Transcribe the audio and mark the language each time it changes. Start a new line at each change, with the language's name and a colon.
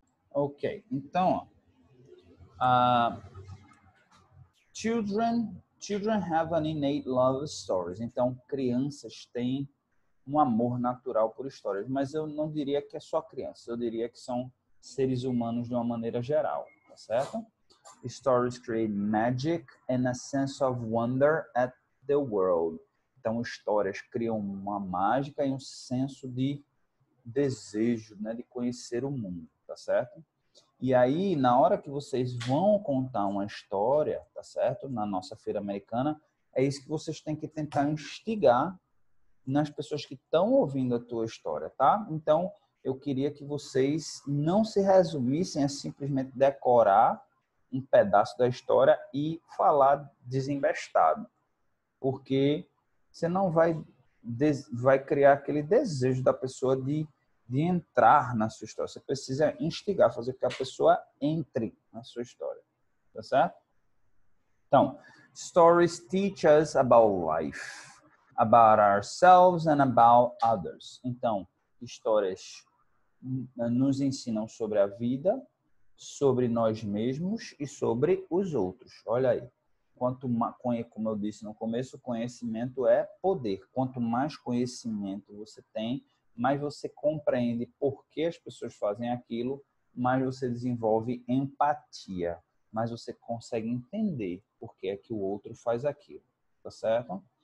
English: Ok, então, children have an innate love of stories.
Portuguese: Então, crianças têm um amor natural por histórias, mas eu não diria que é só criança, eu diria que são seres humanos de uma maneira geral, tá certo?
English: Stories create magic and a sense of wonder at the world.
Portuguese: Então, histórias criam uma mágica e um senso de desejo, né, de conhecer o mundo, tá certo? E aí, na hora que vocês vão contar uma história, tá certo? Na nossa feira americana, é isso que vocês têm que tentar instigar nas pessoas que estão ouvindo a tua história, tá? Então, eu queria que vocês não se resumissem a simplesmente decorar um pedaço da história e falar desembestado, porque você não vai, vai criar aquele desejo da pessoa de entrar na sua história. Você precisa instigar, fazer com que a pessoa entre na sua história. Tá certo?
English: Então, stories teach us about life, about ourselves and about others.
Portuguese: Então, histórias nos ensinam sobre a vida, sobre nós mesmos e sobre os outros. Olha aí. Quanto mais, como eu disse no começo, conhecimento é poder. Quanto mais conhecimento você tem, mais você compreende por que as pessoas fazem aquilo, mais você desenvolve empatia, mais você consegue entender por que é que o outro faz aquilo. Tá certo?